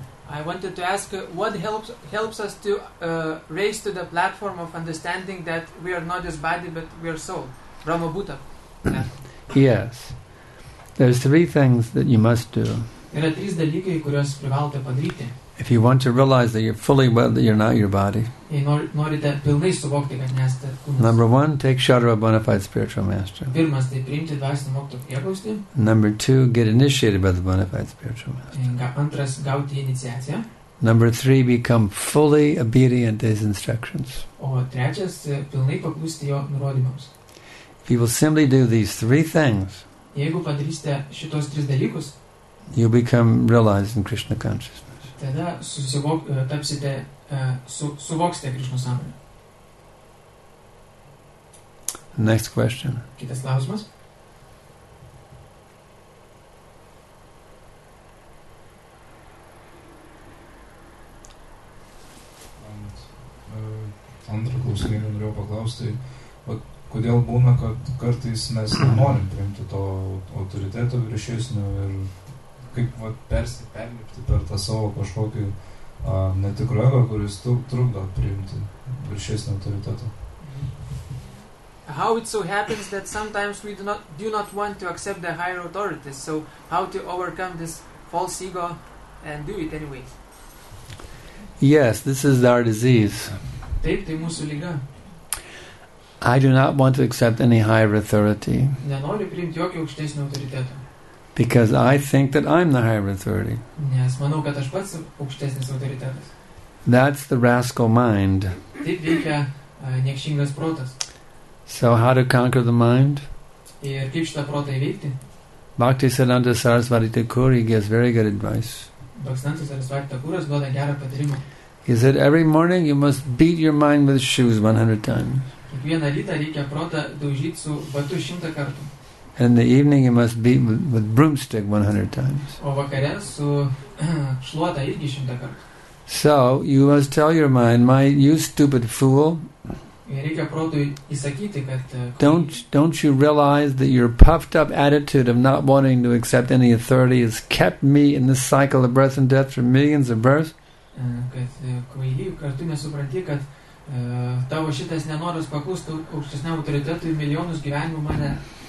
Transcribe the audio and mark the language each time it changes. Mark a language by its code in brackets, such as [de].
[en] I wanted to ask what helps us to raise to the platform of understanding that we are not just body but we are soul. Brahma Bhuta. Yes. There's three things that you must do. [lt] Yra trys dalykai, kuriuos privalote padaryti. [en] If you want to realize that you're fully well, that you're not your body. [lt] Jei norite pilnai suvokti, kad nesate kūnas. [en] Number one, take shelter of a bona fide spiritual master. [lt] Pirmas, tai priimti dvasinio mokytojo prieglaudą. [en] Number two, get initiated by the bona fide spiritual master. [lt] Antras, gauti iniciaciją. [en] Number three, become fully obedient to his instructions. [lt] O trečias, pilnai paklusti jo nurodymams. [en] If you will simply do these three things, [lt] jeigu padarysite šitos tris dalykus, [en] you'll become realized in Krishna consciousness. [lt] Tada tapsite, suvoksite Krishna sąmonę. [en] Next question. [lt] Kitas klausimas. Antrą klausimą norėjau paklausti, kodėl būna, kad kartais mes norim priimti to autoriteto viršesnio ir kaip va, perlipti per tą savo kažkokį netikro ego, kuris trukdo priimti viršesnį autoritetą. [en] How it so happens that sometimes we do not want to accept the higher authorities, so how to overcome this false ego and do it anyway? Yes, this is our disease. [lt] Taip, tai mūsų liga. [en] I do not want to accept any higher authority. [lt] Nenoriu priimti jokio aukštesnio autoriteto. [en] Because I think that I'm the higher authority. [lt] Yes, manau, kad aš pats aukštesnis autoritetas. [en] That's the rascal mind. [lt] Taip veikia niekšingas protas. [en] So how to conquer the mind? [lt] Ir kaip šitą protą įveikti? [en] Bhaktisiddhanta Sarasvati Thakur gives very good advice. [lt] Bhaktisiddhanta Sarasvati Thakur duoda gerą patarimą. [en] He said, every morning you must beat your mind with shoes 100 times. [lt] Kiekvieną rytą reikia protą daužyti su batu 100 kartų. [en] And in the evening you must beat with broomstick 100 times. [lt] O vakare su šluota irgi 100 kartų. [en] So you must tell your mind, my you stupid fool. [lt] Reikia protui įsakyti, kad [en] don't you realize that your puffed up attitude of not wanting to accept any authority has kept me in this cycle of birth and death for millions of births? [lt] Kad kvaili, kartu nesupranti, kad tavo šitas nenoras paklusti aukštesniam autoritetui milijonus gyvenimų mane.